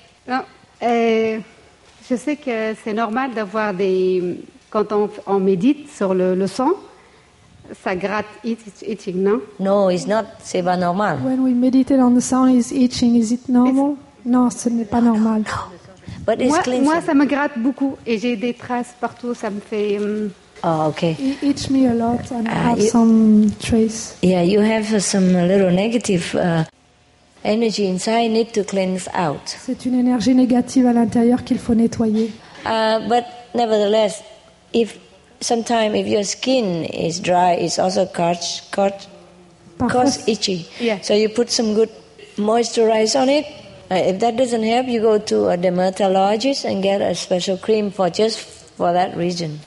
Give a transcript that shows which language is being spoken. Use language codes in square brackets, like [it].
[fr] Non, je sais que c'est normal d'avoir des... Quand on médite sur le sang, ça gratte, itching, non? [en] No, it's not. [fr] C'est pas normal. [en] When we meditate on the sang, is itching, is it normal? [fr] It's... Non, ce n'est pas normal. [en] No. But it's clean. [fr] Moi, ça me gratte beaucoup et j'ai des traces partout. Ça me fait. [en] Oh, okay. It itch me a lot and have some trace. Yeah, you have some little negative energy inside. Need to cleanse out. [fr] C'est une énergie négative à l'intérieur qu'il faut nettoyer. [en] But nevertheless, if your skin is dry, it's also cause itchy. Yeah. So you put some good moisturizer on it. If that doesn't help, you go to a dermatologist and get a special cream for that reason.